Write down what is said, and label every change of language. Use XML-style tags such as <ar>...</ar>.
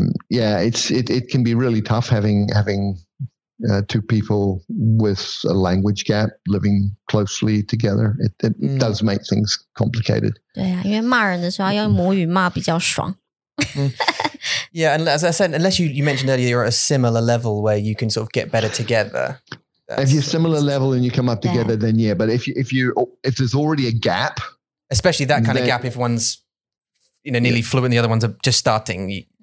<en>Yeah, it can be really tough having two people with a language gap living closely together. It does make things complicated.</en> <zh>对啊，因为骂人的时候要用母语骂比较爽。</zh> <en>Yeah, and as I said, unless you mentioned earlier, you're at a similar level where you can sort of get better together. If you're similar level and you come up together, then yeah. But if there's already a gap, especially that kind of gap, if one's nearly fluent, the other ones are just starting.</en>